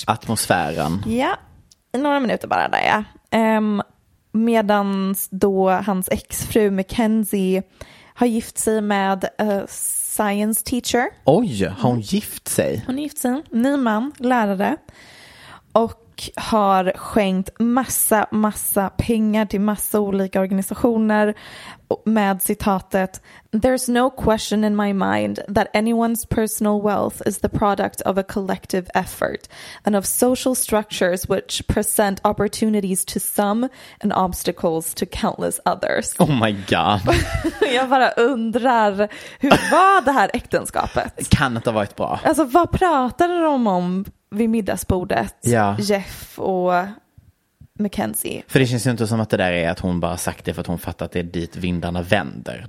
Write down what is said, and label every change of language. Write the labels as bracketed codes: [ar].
[sv] Atmosfären. Ja, i några minuter bara där. Medans då hans exfru Mackenzie har gift sig med [en] science teacher. [sv] Oj, har hon gift sig? Hon är gift sig, ny man, lärare. Och har skänkt massa pengar till massa olika organisationer med citatet: [en] "There's no question in my mind that anyone's personal wealth is the product of a collective effort and of social structures which present opportunities to some and obstacles to countless others." Oh my god. [sv] Jag bara undrar, hur var det här äktenskapet? Kan inte ha varit bra. Alltså, vad pratade de om vid middagsbordet? Jeff och Mackenzie. För det känns ju inte som att det där är att hon bara sagt det för att hon fattat att det är dit vindarna vänder.